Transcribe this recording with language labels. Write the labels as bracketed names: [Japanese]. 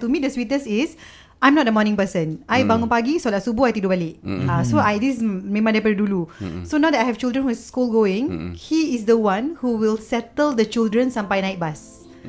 [English] To me the sweetest is I'm not a morning person. I [Malay] bangun pagi, solat subuh, I tidur balik. [English] So this [Malay] memang daripada dulu. [English] So now that I have children who is school going, he is the one who will settle the children [Malay] sampai naik bus.